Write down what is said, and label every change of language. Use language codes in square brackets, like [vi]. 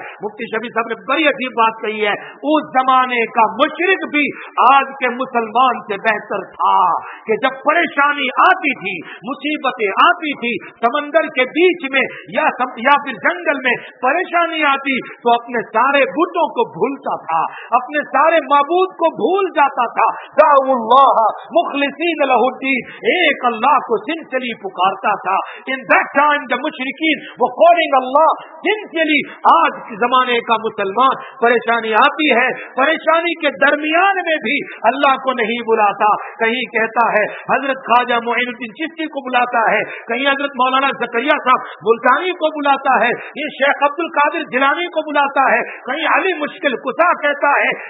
[ur] مفتی شفیع صاحب نے بڑی عجیب بات کہی ہے. اس زمانے کا مشرک بھی آج کے مسلمان سے بہتر تھا کہ جب پریشانی آتی تھی, مصیبتیں آتی تھی سمندر کے بیچ میں یا پھر جنگل میں پریشانی آتی تو اپنے سارے بتوں کو بھولتا تھا, اپنے سارے معبود کو بھول جاتا تھا. [ar] دعو اللہ مخلصین لہ الدین, [ur] ایک اللہ کو سنسلی پکارتا تھا. [en] In that time the مشرکین were calling Allah sincerely. [ur] آج کے زمانے کا مسلمان پریشانی آتی ہے, پریشانی کے درمیان میں بھی اللہ کو نہیں بلاتا. کہیں کہتا ہے حضرت خواجہ معین الدین چشتی کو بلاتا ہے, کہیں حضرت مولانا زکریا صاحب ملتانی کو بلاتا ہے, یہ شیخ عبد القادر جیلانی کو بلاتا ہے, کہیں علی مشکل کسا کہتا ہے.